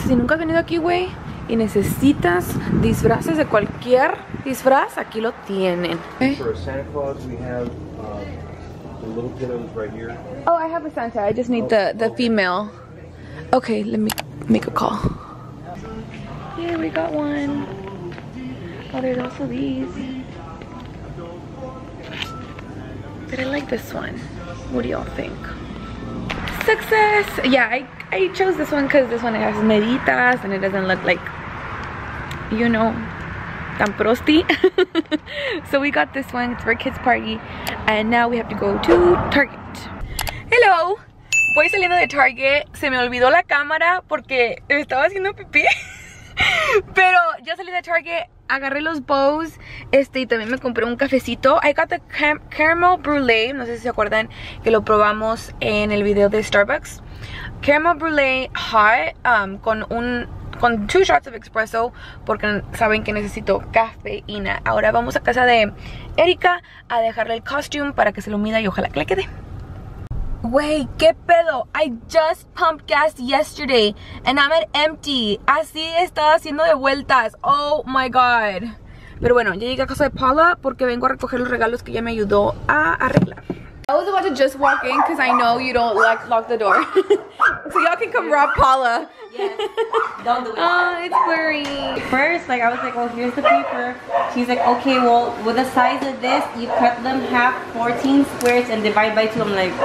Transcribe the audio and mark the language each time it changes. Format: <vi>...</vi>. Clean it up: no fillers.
<es>Si nunca has venido aquí, güey, y necesitas disfraces de cualquier disfraz, aquí lo tienen.</es> <en>For Santa Claus, we have the little kiddos right here. Oh, I have a Santa. I just need the female. Okay, let me make a call. Yeah, we got one. Oh, there's also these. But I like this one. What do y'all think? Success! Yeah, I chose this one because this one has meditas and it doesn't look like, you know,</en> <es>tan prosti.</es> <en>So we got this one. It's for a kids' party. And now we have to go to Target. Hello!</en> <es>Voy saliendo de Target, se me olvidó la cámara porque estaba haciendo pipí. Pero ya salí de Target, agarré los bows, y también me compré un cafecito.</es> <en>I got the caramel brulee,</en> <es>no sé si se acuerdan que lo probamos en el video de Starbucks. Caramel brulee hot, con</es> <en>2 shots of espresso,</en> <es>porque saben que necesito cafeína. Ahora vamos a casa de Erika a dejarle el costume para que se lo mida y ojalá que le quede. Wey, qué pedo.</es> <en>I just pumped gas yesterday and I'm at empty.</en> <es>Así estaba haciendo de vueltas.</es> <en>Oh my god.</en> <es>Pero bueno, ya llegué a casa de Paula porque vengo a recoger los regalos que ella me ayudó a arreglar.</es> <en>I was about to just walk in because I know you don't like lock the door. So y'all can come rob Paula. Yes. Don't do it. Oh, it's blurry. First, like, I was like, well, here's the paper. She's like, okay, well, with the size of this, you cut them half 14 squares and divide by 2. I'm like,</en>